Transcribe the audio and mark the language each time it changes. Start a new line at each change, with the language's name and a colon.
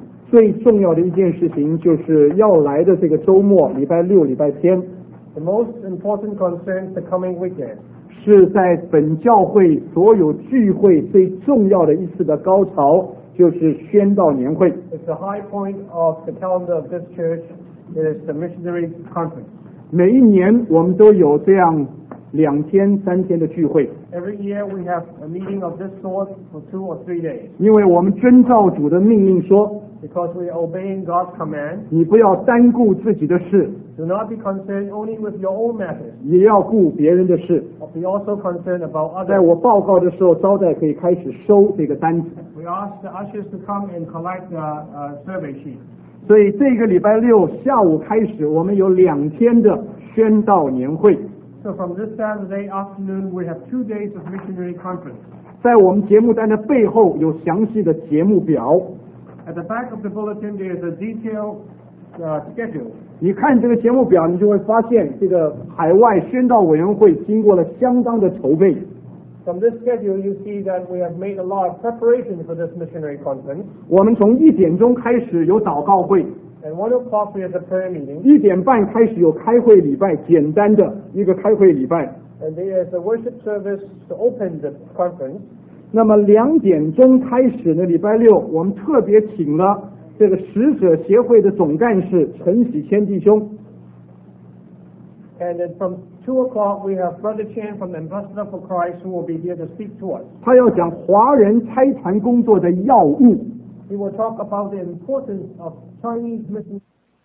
Chinese: 最重要的一件事情就是要来的这个周末，礼拜六、礼拜天。
English: The most important concern is the coming weekend.
Chinese: 是在本教会所有聚会最重要的一次的高潮，就是宣道年会。
English: It's the high point of the calendar of this church. It is the missionary conference.
Chinese: 每一年我们都有这样两天三天的聚会。
English: Every year we have a meeting of this sort for two or three days.
Chinese: 因为我们遵照主的命令说。
English: Because we are obeying God's command.
Chinese: 你不要单顾自己的事。
English: Do not be concerned only with your own matters.
Chinese: 也要顾别人的事。
English: Be also concerned about others.
Chinese: 在我报告的时候，招待可以开始收这个单子。
English: We ask the ushers to come and collect the survey sheet.
Chinese: 所以这个礼拜六下午开始，我们有两天的宣道年会。
English: So from this Saturday afternoon, we have 2 days of missionary conference.
Chinese: 在我们节目单的背后有详细的节目表。
English: At the back of the bulletin, there is a detailed schedule.
Chinese: 你看这个节目表，你就会发现这个海外宣道委员会经过了相当的筹备。
English: From this schedule, you see that we have made a lot of preparation for this missionary conference.
Chinese: 我们从一点钟开始有祷告会。
English: And 1 o'clock we have a prayer meeting.
Chinese: 一点半开始有开会礼拜，简单的一个开会礼拜。
English: And there is a worship service to open the conference.
Chinese: 那么两点钟开始呢，礼拜六我们特别请了这个使者协会的总干事陈喜谦弟兄。
English: And then from 2 o'clock we have Brother Chan from the Ambassador for Christ who will be here to speak to us.
Chinese: 他要讲华人拆船工作的要务。
English: He will talk about the importance of Chinese missionary.